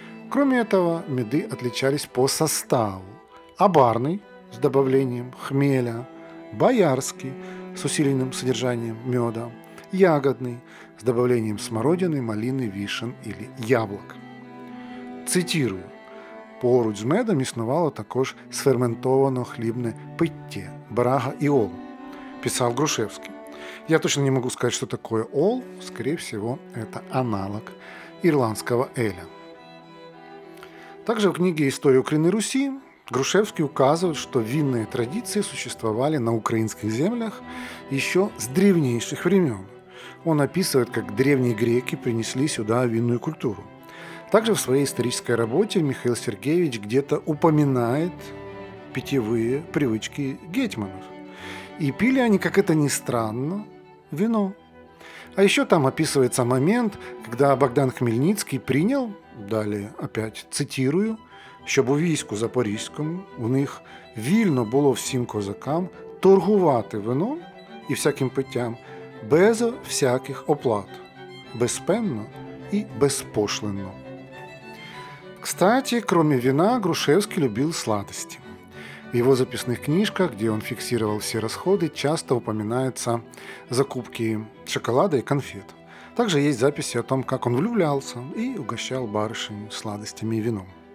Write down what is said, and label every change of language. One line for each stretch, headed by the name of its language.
Russian: Кроме этого, меды отличались по составу. Абарный с добавлением хмеля, боярский с усиленным содержанием меда, ягодный с добавлением смородины, малины, вишен или яблок. Цитирую.
Ukrainian: Поруч з медом існувало також сферментовано хлібне питє – брага і ол, писав Грушевський.
Russian: Я точно не могу сказать, что такое ол. Скорее всего, это аналог ирландского эля. Также в книге «История Украины и Руси» Грушевский указывает, что винные традиции существовали на украинских землях еще с древнейших времен. Он описывает, как древние греки принесли сюда винную культуру. Также в своей исторической работе Михаил Сергеевич где-то упоминает питьевые привычки гетьманов. И пили они, как это ни странно, вино. А еще там описывается момент, когда Богдан Хмельницкий принял, далее опять цитирую,
Ukrainian: «щоб у війську запорізькому в них вільно було всім козакам торгувати вином і всяким питтям без всяких оплат, безпенно і безпошлинно».
Russian: Кстати, кроме вина, Грушевский любил сладости. В его записных книжках, где он фиксировал все расходы, часто упоминаются закупки шоколада и конфет. Также есть записи о том, как он влюблялся и угощал барышень сладостями и вином.